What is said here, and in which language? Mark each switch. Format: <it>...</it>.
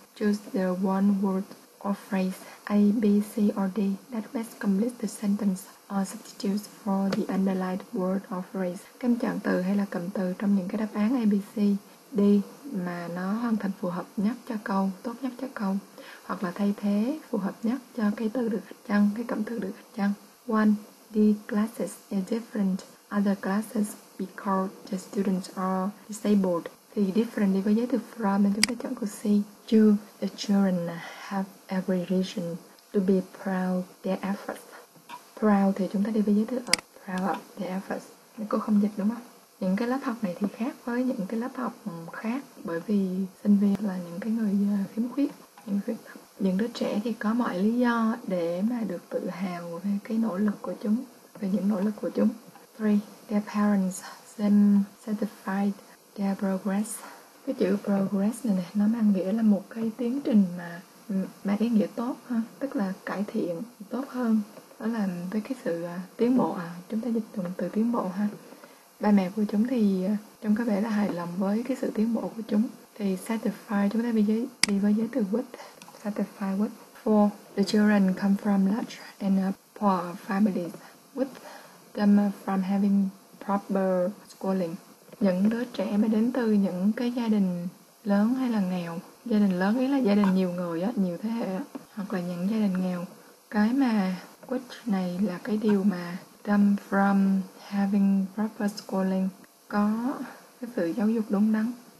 <en>Choose the one word or phrase A, B, C, or D that best completes the sentence or substitutes for the underlined word or phrase.</en> <vi>Các em chọn từ hay là cụm từ trong những cái đáp án A, B, C, D mà nó hoàn thành phù hợp nhất cho câu, tốt nhất cho câu, hoặc là thay thế phù hợp nhất cho cái từ được gạch chân, cái cụm từ được gạch chân.</vi> <en>One, the classes are different other classes because the students are disabled.</en> <vi>Thì different với giới từ from nên chúng ta chọn câu C.</vi> <en>Two, the children have every reason to be proud their efforts.</en> <vi>Proud thì chúng ta đi với giới từ of,</vi> <en>proud of their efforts.</en> <vi>Cô không dịch đúng không? Những cái lớp học này thì khác với những cái lớp học khác, bởi vì sinh viên là những cái người khiếm khuyết, những đứa trẻ thì có mọi lý do để mà được tự hào về cái nỗ lực của chúng, về những nỗ lực của chúng. 3.</vi> <en>Their parents seem satisfied their progress.</en> <vi>Cái chữ progress này nè, nó mang nghĩa là một cái tiến trình mà mang ý nghĩa tốt ha, tức là cải thiện, tốt hơn. Đó là với cái sự tiến bộ à, chúng ta dịch từ tiến bộ ha. Ba mẹ của chúng thì chúng có vẻ là hài lòng với cái sự tiến bộ của chúng. Thì satisfied, chúng ta đi với giới từ with, satisfied with. 4.</vi> <en>The children come from large and poor families with them from having proper schooling.</en> <vi>Những đứa trẻ mà đến từ những cái gia đình lớn hay là nghèo, gia đình lớn ý là gia đình nhiều người á, nhiều thế hệ á, hoặc là những gia đình nghèo. Cái mà which này là cái điều mà</vi> <en>come from having proper schooling,</en> <vi>có cái sự giáo dục đúng đắn.</vi>